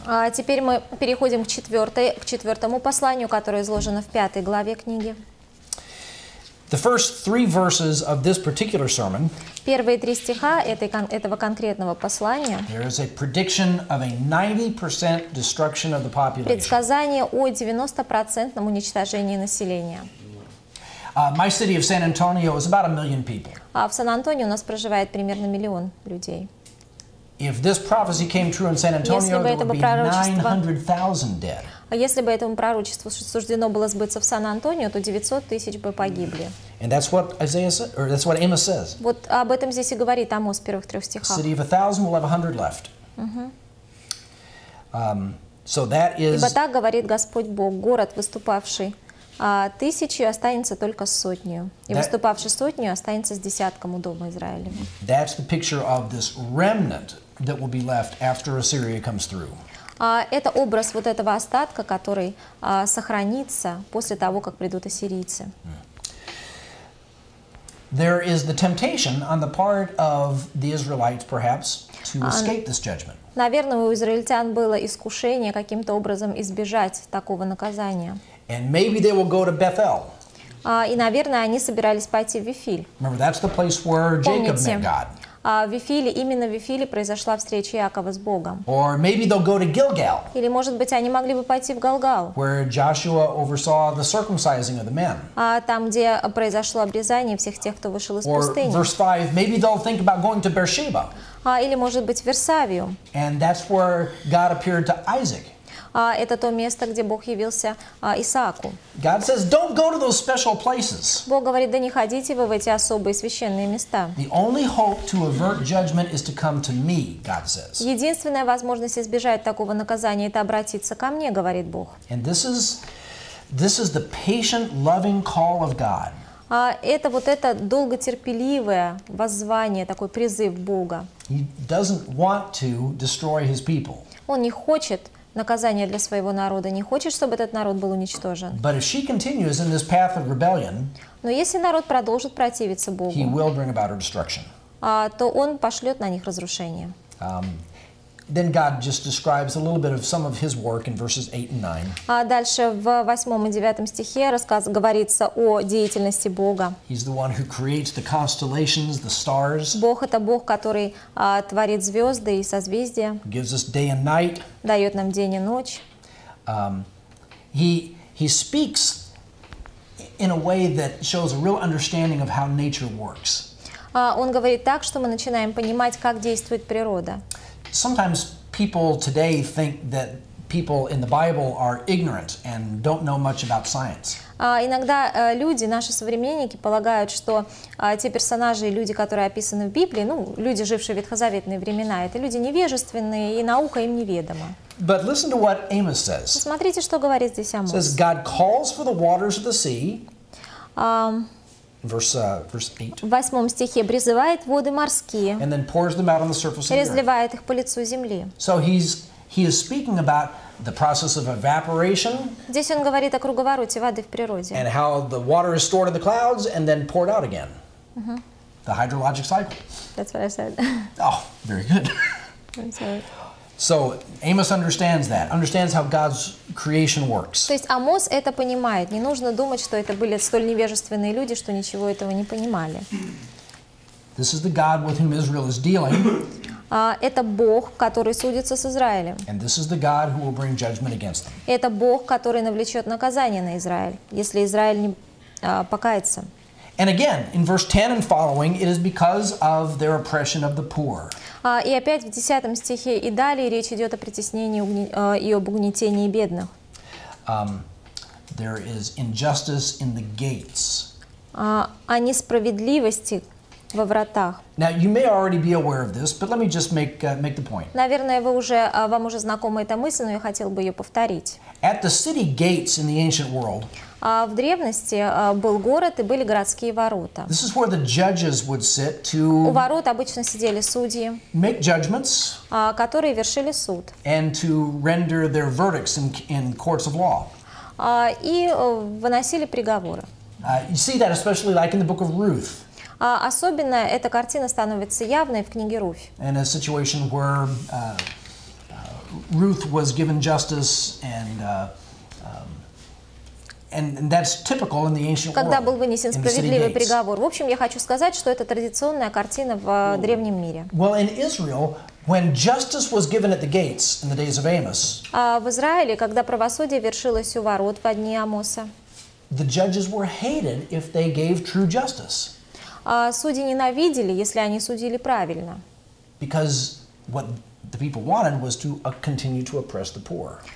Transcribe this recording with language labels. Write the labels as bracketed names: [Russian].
[Russian] А теперь мы переходим к четвертому посланию, которое изложено в пятой главе книги. [English] The first three verses of this particular sermon. [Russian] Первые три стиха этого конкретного послания. [English] There is a prediction of a 90% destruction of the population. [Russian] Предсказание о 90% уничтожении населения. [English] My city of San Antonio is about 1 million people. [Russian] А в Сан-Антонио у нас проживает примерно миллион людей. [English] If this prophecy came true in San Antonio, there would be 900,000 dead. [Russian] Если бы этому пророчеству суждено было сбыться в Сан-Антонио, то 900 тысяч бы погибли. [English] And that's what Isaiah said, or that's what Amos says. [Russian] Вот об этом здесь и говорит Амос в первых трех стихах. [English] A city of 1,000 will have 100 left. So that is. [Russian] Ибо так говорит Господь Бог, город выступавший. А тысячи останется только сотню. И выступавши сотню, останется с десятком у дома Израилева. [English] That's the picture of this remnant that will be left after Assyria comes through. [Russian] Это образ вот этого остатка, который сохранится после того, как придут ассирийцы. [English] There is the temptation on the part of the Israelites, perhaps, to escape this judgment. [Russian] Наверное, у израильтян было искушение каким-то образом избежать такого наказания. [English] And maybe they will go to Bethel. [Russian] И, наверное, они собирались пойти в Вифиль. [English] Remember, that's the place where Jacob met God. [Russian] В Вифиле, именно в Вифиле произошла встреча Иакова с Богом. [English] Or maybe they'll go to Gilgal. [Russian] Или, может быть, они могли бы пойти в Галгал. [English] Where Joshua oversaw the circumcising of the men. [Russian] Там, где произошло обрезание всех тех, кто вышел из пустыни. [English] Or verse 5, maybe they'll think about going to Beersheba. [Russian] Или, может быть, в Версавию. [English] And that's where God appeared to Isaac. [Russian] Это то место, где Бог явился Исааку. [English] God says, don't go to those special places. [Russian] Бог говорит, да не ходите вы в эти особые священные места. [English] The only hope to avert judgment is to come to me, God says. [Russian] Единственная возможность избежать такого наказания — это обратиться ко мне, говорит Бог. [English] And this is the patient, loving call of God. [Russian] Это вот это долготерпеливое воззвание, такой призыв Бога. [English] He doesn't want to destroy his people. [Russian] Он не хочет наказание для своего народа, не хочет, чтобы этот народ был уничтожен. [English] But if she continues in this path of rebellion, [Russian] но если народ продолжит противиться Богу, [English] he will bring about her destruction. [Russian] То он пошлет на них разрушение. [English] Then God just describes a little bit of some of his work in verses 8 and 9. [Russian] Дальше в 8 и 9 стихе говорится о деятельности Бога. [English] He's the one who creates the constellations, the stars. [Russian] Бог — это Бог, который творит звезды и созвездия. [English] Gives us day and night. [Russian] Дает нам день и ночь. [English] He speaks in a way that shows a real understanding of how nature works. [Russian] Он говорит так, что мы начинаем понимать, как действует природа. [English] Sometimes people today think that people in the Bible are ignorant and don't know much about science. [Russian] Иногда люди, наши современники, полагают, что те персонажи и люди, которые описаны в Библии, ну, люди, жившие в ветхозаветные времена, это люди невежественные, и наука им неведома. [English] But listen to what Amos says. [Russian] Смотрите, что говорит здесь Амос. [English] Says God calls for the waters of the sea. Verse 8. [Russian] В 8 стихе призывает воды морские. [English] And then pours them out on the surface of the earth. [Russian] Разливает их по лицу земли. [English] So he is speaking about the process of evaporation. [Russian] Здесь он говорит о круговороте воды в природе. [English] And how the water is stored in the clouds and then poured out again. The hydrologic cycle. That's what I said. Oh, very good. I'm sorry. So Amos understands that, understands how God's creation works. [Russian] То есть Амос это понимает. Не нужно думать, что это были столь невежественные люди, что ничего этого не понимали. [English] This is the God with whom Israel is dealing. [Russian] Это Бог, который судится с Израилем. [English] And this is the God who will bring judgment against them. [Russian] Это Бог, который навлечет наказание на Израиль, если Израиль не покается. [English] And again, in verse 10 and following, it is because of their oppression of the poor. [Russian] И опять в 10 стихе и далее речь идет о притеснении и об угнетении бедных. [English] There is injustice in the gates. [Russian] О несправедливости во вратах. [English] Now you may already be aware of this, but let me just make the point. [Russian] Наверное, вам уже знакома эта мысль, но я хотел бы ее повторить. [English] At the city gates in the ancient world. [Russian] В древности был город и были городские ворота. [English] This is where the judges would sit to. [Russian] У ворот обычно сидели судьи. [English] Make judgments. [Russian] Которые вершили суд. [English] And to render their verdicts in courts of law. [Russian] И выносили приговоры. [English] You see that especially like in the book of Ruth. [Russian] Особенно эта картина становится явной в книге Руфь. [English] In a situation where Ruth was given justice and and that's typical in the ancient world. [Russian] Когда был вынесен справедливый приговор. В общем, я хочу сказать, что это традиционная картина в древнем мире. [English] Well, in Israel, when justice was given at the gates in the days of Amos. [Russian] В Израиле, когда правосудие вершилось у ворот в дни Амоса. [English] The judges were hated if they gave true justice. [Russian] Судьи ненавидели, если они судили правильно. [English] Because what the people wanted was to continue to oppress the poor.